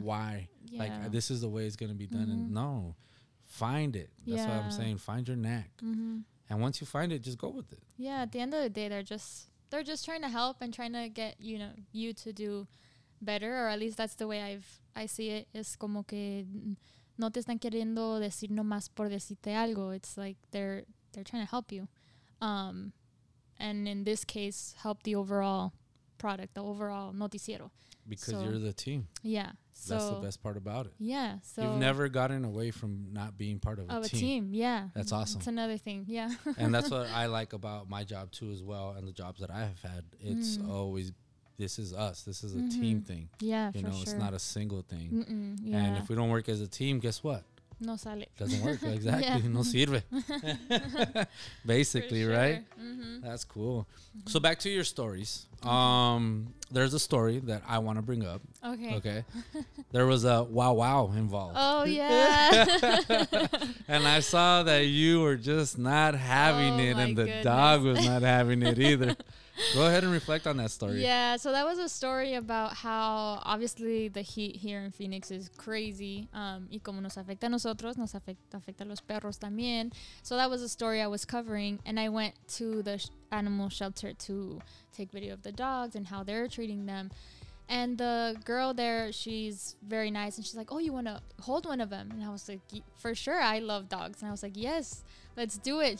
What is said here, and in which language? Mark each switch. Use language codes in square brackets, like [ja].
[en] Why? Yeah. Like, this is the way it's going to be done. Mm-hmm. And no, find it. That's what I'm saying. Find your knack. Mm-hmm. And once you find it, just go with it. Yeah, at the end of the day, they're just trying to help and trying to get, you know, you to do better, or at least that's the way I see it. [es] Es como que no te están queriendo decir nomás por decirte algo. [en] It's like they're trying to help you. And in this case, help the overall product, the overall noticiero. Because you're the team. Yeah. So that's the best part about it. Yeah. So you've never gotten away from not being part of a team. Yeah. That's awesome. It's another thing. Yeah. And that's what I like about my job too, as well, and the jobs that I have had. It's always, this is us. This is a team thing. Yeah. You know, sure. It's not a single thing. Mm-mm, yeah. And if we don't work as a team, guess what? [es] No sale. [en] Doesn't work. Exactly. Yeah. [es] No sirve. [en] Basically, sure. Right? Mm-hmm. That's cool. Mm-hmm. So back to your stories. Mm-hmm. There's a story that I want to bring up. Okay. Okay. There was a wow involved. Oh, yeah. And I saw that you were just not having it, and the dog was not having it either. Go ahead and reflect on that story. Yeah. So that was a story about how obviously the heat here in Phoenix is crazy. [es] Y como nos afecta a nosotros, nos afecta a los perros también. [en] So that was a story I was covering, and I went to the animal shelter to take video of the dogs and how they're treating them. And the girl there, she's very nice, and she's like, oh, you want to hold one of them? And I was like, for sure, I love dogs. And I was like, yes, let's do it.